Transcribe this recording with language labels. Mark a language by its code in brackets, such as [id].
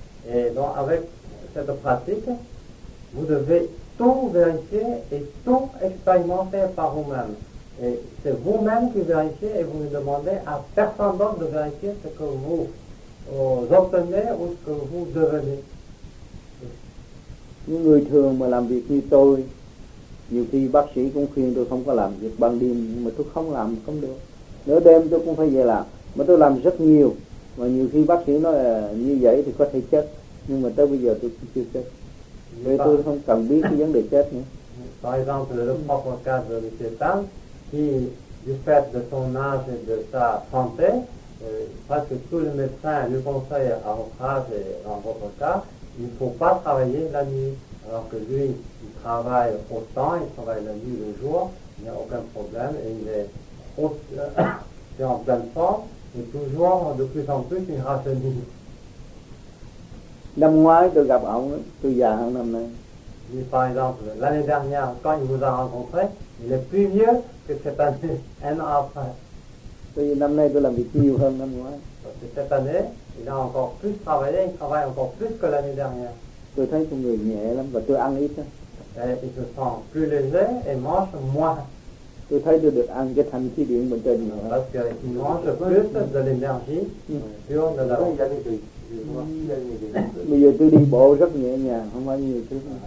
[fr] Et donc avec cette pratique, vous devez tout vérifier et tout expérimenter par vous-même. Et c'est vous-même qui vérifiez et vous ne demandez à personne d'autre de vérifier ce que vous obtenez ou ce que vous devenez. [vi] Những người thường mà làm việc như tôi, nhiều khi bác sĩ cũng khuyên tôi không có làm việc ban đêm, nhưng mà tôi không làm không được. Nửa đêm tôi cũng phải về làm, mà tôi làm rất nhiều. Mà nhiều khi bác sĩ nói là như vậy thì có thể chết, nhưng mà tới bây giờ tôi cũng chưa chết. Vì tôi không cần biết cái vấn đề chết nữa. [fr] Par exemple, le mot en cas de l'étal, qui, du fait de son âge et de sa santé, parce que tous les médecins lui conseillent à votre âge et dans votre cas, il ne faut pas travailler la nuit. Alors que lui, il travaille autant, il travaille la nuit, le jour, il n'y a aucun problème, et il est aussi, en pleine forme, et toujours, de plus en plus, il rajeunit. [vi] Năm ngoái, tôi gặp ông, tôi già hơn năm nay. [fr] Lui, par exemple, l'année dernière, quand il vous a rencontré, il est plus vieux que cette année, un an après. [vi] Tôi, năm nay, tôi làm việc nhiều hơn năm ngoái. [fr] Parce que cette année, il a encore plus travaillé, il travaille encore plus que l'année dernière. [vi] Tôi thấy con người nhẹ lắm và tôi ăn ít á. [fr] Et il se sent plus léger et mange moins. [vi] Tôi thấy tôi được ăn cái thanh khí điện bên trên. [fr] Parce qu'il mange plus de l'énergie, plus de la vie. [vi] Bây giờ tôi đi bộ rất nhẹ nhàng, không phải nhiều thứ.